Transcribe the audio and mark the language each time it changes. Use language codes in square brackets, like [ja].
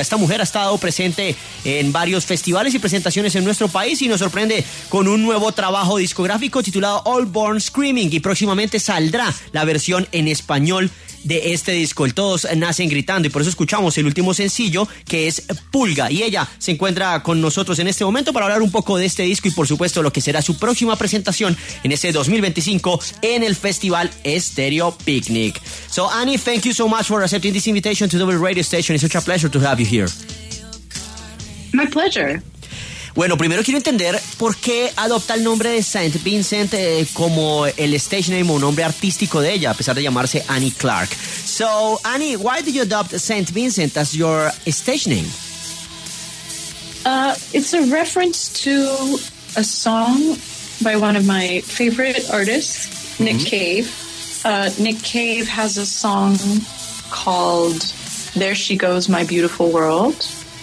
[es] Esta mujer ha estado presente en varios festivales y presentaciones en nuestro país y nos sorprende con un nuevo trabajo discográfico titulado All Born Screaming, y próximamente saldrá la versión en español de este disco, El Todos Nacen Gritando, y por eso escuchamos el último sencillo, que es Pulga, y ella se encuentra con nosotros en este momento para hablar un poco de este disco y por supuesto lo que será su próxima presentación en ese 2025 en el festival Stereo Picnic. [en] So Annie, thank you so much for accepting this invitation to Double Radio Station. It's such a pleasure to have you here. My pleasure. [es] Bueno, primero quiero entender por qué adopta el nombre de Saint Vincent como el stage name o nombre artístico de ella, a pesar de llamarse Annie Clark. [en] So, Annie, why did you adopt Saint Vincent as your stage name? It's a reference to a song by one of my favorite artists, mm-hmm. Nick Cave. Nick Cave has a song called There She Goes, My Beautiful World.